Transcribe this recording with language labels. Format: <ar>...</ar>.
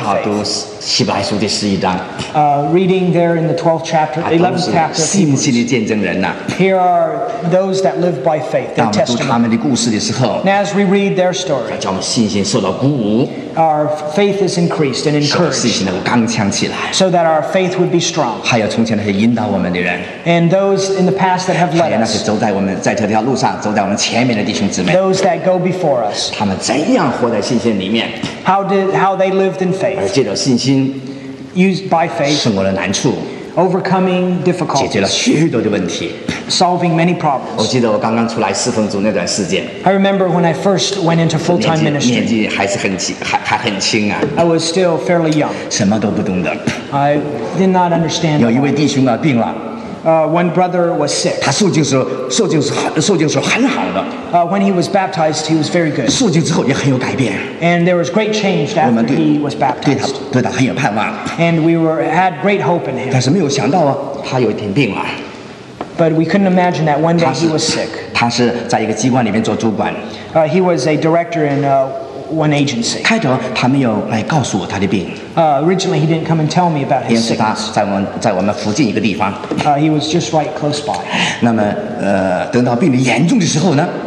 <zh>好，读希伯来书第十一章。</zh> <en>Reading there in the 12th chapter, 11th chapter.</en> <zh>信心的见证人呐。</zh> <en>Here are those that live by faith.</en> <zh>当我们读他们的故事的时候。</zh> <en>And as we read their story.</en> <zh>叫我们信心受到鼓舞。</zh> <en>Our faith is increased and encouraged.</en> <zh>使信心能够刚强起来。</zh> <en>So that our faith would be strong.</en> <zh>还有从前那些引导我们的人。</zh> <en>And those in the past that have led us.</en> <zh>还有那些走在我们在这条路上走在我们前面的弟兄姊妹。</zh> <en>Those that go before us.</en> <zh>他们怎样活在信心里面？</zh> <en>How they lived in faith.</en> <zh>而借着信心。</zh> <en>Used by faith.</en> <zh>胜过了难处。</zh> <en>Overcoming difficulties.</en> <zh>解决了许多的问题。</zh> <en>solving many problems. I remember when I first went into full-time ministry.</en> <zh>年纪还很轻啊,</zh> <en>I was still fairly young. I did not understand.</en> <zh>有一位弟兄啊, 病了。</zh> <en>One brother was sick.</en> <zh>他受浸时候很好的。</zh> <en>When he was baptized, he was very good.</en> <zh>受浸之后也很有改变。</zh> <en>And there was great change after</en> <zh>我们对,</zh> <en>he was baptized.</en> <zh>对他很有盼望。</zh> <en>And we were had great hope in him.</en> <zh>但是没有想到啊, 他有一天病了。</zh> <en>But we couldn't imagine that one day he was sick.</en> <zh>他是在一个机关里面做主管。</zh> <en>He was a director in one agency.</en> <zh>开头他没有来告诉我他的病。</zh> <en>Originally, he didn't come and tell me about his sickness. He was just right close by.</en> <zh>那么，等到病得严重的时候呢？</zh>